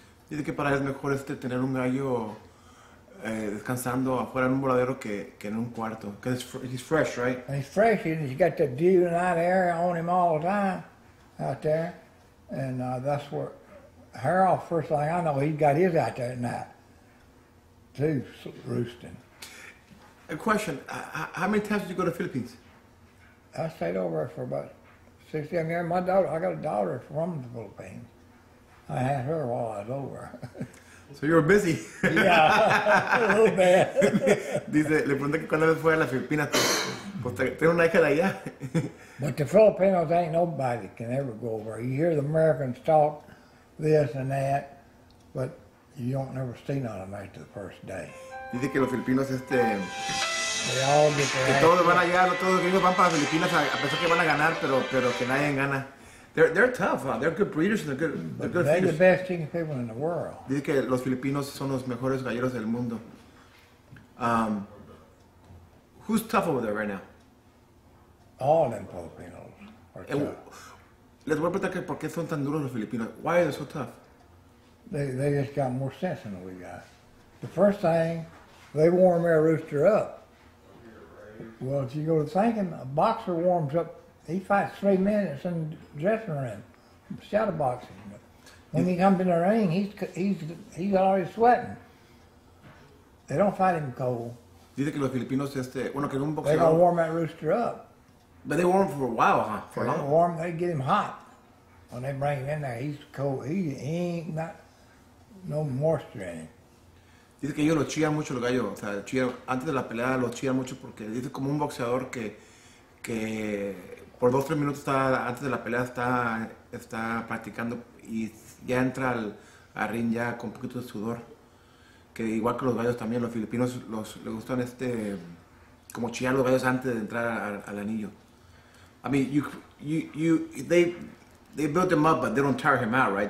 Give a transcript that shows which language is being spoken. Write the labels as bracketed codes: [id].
[es] Dice que para él es mejor tener un gallo descansando afuera en un voladero que en un cuarto. [en] Because he's fresh, right? And he's fresh, and he's got that dew and that air on him all the time out there. And that's where Harold, first thing I know, he's got his out there at night, too, roosting. A question, how many times did you go to the Philippines? I stayed over for about 6 years. My daughter, I got a daughter from the Philippines. I had her while I was over. So you were busy. Yeah, a little bit. [es] Dice, le pregunté que cuando fue a la Filipina, pues tengo una hija de allá. [en] But the Filipinos ain't nobody can ever go over. You hear the Americans talk this and that, but you don't never see none of them after the first day. [es] Dice que los Filipinos [en] They all get their ass. [es] Todos van allá, todos los gringos van para las Filipinas a pensar que van a ganar, pero que nadie gana. [en] They're tough, huh? They're good breeders and they're good feeders. They're the best chicken people in the world. [es] Dice que los filipinos son los mejores galleros del mundo. [en] Who's tough over there right now? All them Filipinos are tough. [es] Les voy a preguntar por qué son tan duros los filipinos. [en] Why are they so tough? They just got more sense than we got. The first thing, they warm their rooster up. Well, if you go to thinking, a boxer warms up. He fights 3 minutes in the dressing room, shadow boxing. But when he comes in the ring, he's already sweating. They don't fight him cold. [es] Dice que los filipinos que un boxeador. [en] They gonna warm that rooster up. But they warm for a while, huh? For long. Warm, they get him hot. When they bring him in there, he's cold. He ain't not no moisture in him. [es] Dice que ellos lo chillan mucho los gallos. O sea, chillan, antes de la pelea lo chillan mucho porque dice como un boxeador que por 2-3 minutos está, antes de la pelea está practicando y ya entra al ring ya con un poquito de sudor. Que igual que los gallos también, los filipinos les gustan como chillar los gallos antes de entrar al anillo. [en] I mean, they built him up, but they don't tire him out, right?